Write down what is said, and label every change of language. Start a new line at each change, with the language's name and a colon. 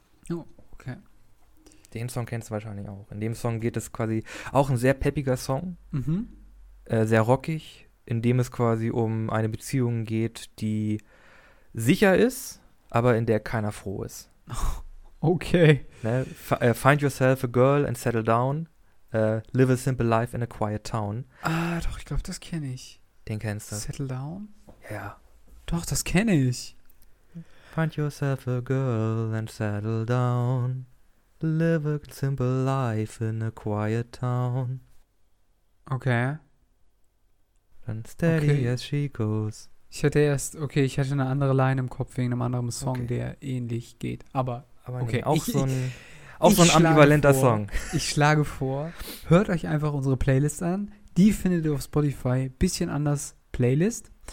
English: Oh, okay.
German: Den Song kennst du wahrscheinlich auch. In dem Song geht es quasi, auch ein sehr peppiger Song, sehr rockig, in dem es quasi um eine Beziehung geht, die sicher ist, aber in der keiner froh ist. Okay. Ne?
English: Find yourself a girl and settle down. Live a simple life in a quiet town.
German: Ah, doch, ich glaube, das kenne ich. Den kennst du.
English: Settle down?
German: Ja. Doch, das kenne ich.
English: Find yourself a girl and settle down. Live a simple life in a quiet town.
German: Okay. Dann
English: steady as she goes.
German: Ich hatte eine andere Line im Kopf wegen einem anderen Song, der ähnlich geht. Aber so ein ambivalenter Song. Ich schlage vor, hört euch einfach unsere Playlist an. Die findet ihr auf Spotify. Bisschen anders Playlist.